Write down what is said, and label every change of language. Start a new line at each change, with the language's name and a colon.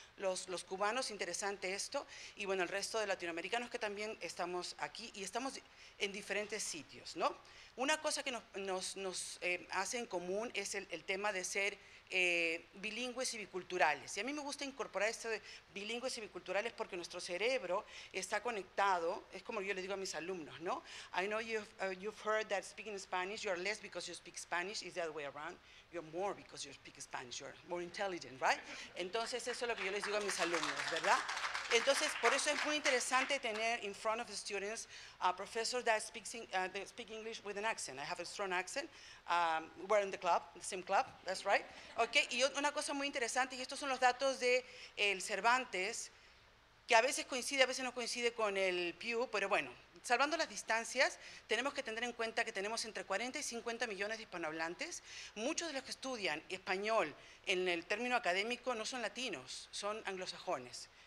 Spanish: Los cubanos, interesante esto. Y bueno, el resto de latinoamericanos que también estamos aquí y estamos en diferentes sitios, ¿no? Una cosa que nos hace en común es el tema de ser bilingües y biculturales. Y a mí me gusta incorporar esto de bilingües y biculturales porque nuestro cerebro está conectado, es como yo le digo a mis alumnos, ¿no?
English: I know you've heard that speaking Spanish, you're less because you speak Spanish, is that way around? You're more because you speak Spanish, you're more intelligent, right?
Spanish: Entonces, eso es lo que yo les digo a mis alumnos, ¿verdad? Entonces, por eso es muy interesante tener
English: in front of the students a professor that speaks speak English with an accent. I have a strong accent. We're in the club, the same club, that's right. Okay.
Spanish: Y una cosa muy interesante, y estos son los datos de el Cervantes, que a veces coincide, a veces no coincide con el Pew, pero bueno, salvando las distancias, tenemos que tener en cuenta que tenemos entre 40 y 50 millones de hispanohablantes. Muchos de los que estudian español en el término académico no son latinos, son anglosajones.